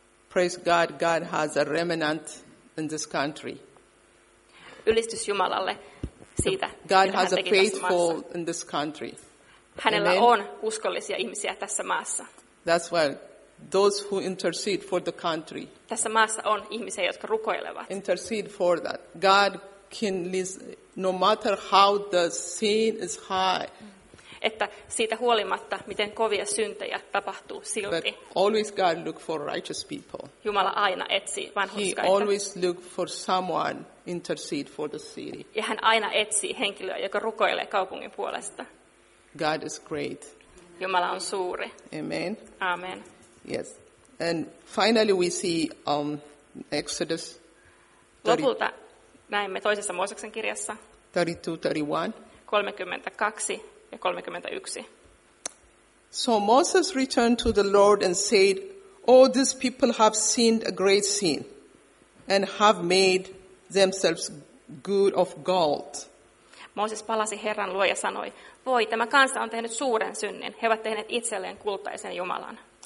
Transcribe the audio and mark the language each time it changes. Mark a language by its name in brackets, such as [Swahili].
[English] Praise God, God has a remnant in this country. [Finnish] Ylistys Jumalalle siitä, mitä hän teki tässä maassa. [English] God has a faithful in this country. [Finnish] Hänellä on uskollisia ihmisiä tässä maassa. [English] That's why those who intercede for the country. [Finnish] Tässä maassa on ihmisiä, jotka rukoilevat. [English] Intercede for that. God can listen, no matter how the sin is high. [Finnish] Että siitä huolimatta, miten kovia syntejä tapahtuu silti. [English] But always God look for righteous people. [Finnish] Jumala aina etsii vanhurskaita. [English] He always look for someone intercede for the city. [Finnish] Ja hän aina etsii henkilöä, joka rukoilee kaupungin puolesta. [English] God is great. [Finnish] Jumala on suuri. Amen. Amen. [English] Yes. And finally we see Exodus. [Finnish] Lopulta näemme toisessa Mooseksen kirjassa. 32-31. 32 ja 31. [English] So Moses returned to the Lord and said, O, these people have sinned a great sin and have made themselves good of gold. [Finnish] Mooses palasi Herran luo ja sanoi, voi, tämä kansa on tehnyt suuren synnin. He ovat tehneet itselleen kultaisen Jumalan.